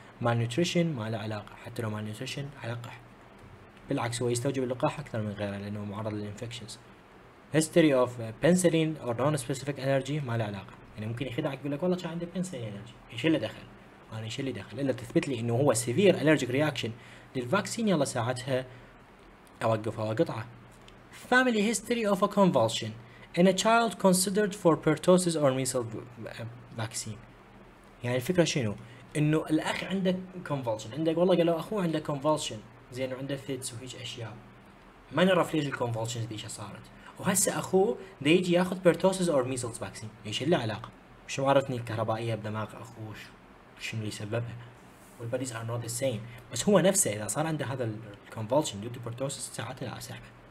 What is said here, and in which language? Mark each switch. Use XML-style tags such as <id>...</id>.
<ar>مال نيوتريشن ما له علاقه، حتى لو مال نيوتريشن علاقه، بالعكس هو يستوجب اللقاح اكثر من غيره لانه معرض للانفكشنز.</ar> <en>history of penicillin or non specific allergy</en> <ar>ما له علاقه، يعني ممكن يخدعك يقول لك والله كان عندي بنسلين انرجي، ايش اللي دخل؟ انا ايش اللي دخل؟ الا تثبت لي انه هو</ar> <en>severe allergic reaction</en> <ar>للفاكسين يلا ساعتها اوقفها واقطعه.</ar> <en>Family history of a convulsion in a child considered for pertussis or measles vaccine.</en> <ar>يعني الفكرة شنو؟ انه الاخ عنده convulsion، عندك والله قالوا اخوه عنده convulsion زين وعنده fits وهيج اشياء. ما نعرف ليش ال convulsions ذي صارت. وهسه اخوه ده يجي ياخذ</ar> <en>pertussis or measles vaccine.</en> <ar>ايش اللي علاقة؟ مش معرفني الكهربائية بدماغ اخوه شنو اللي سببها؟</ar> <en>والبديز are not the same,</en> <ar>بس هو نفسه اذا صار عنده هذا الكونفولشن ديو تو بيرتوسس ساعات لا سحبه.</ar>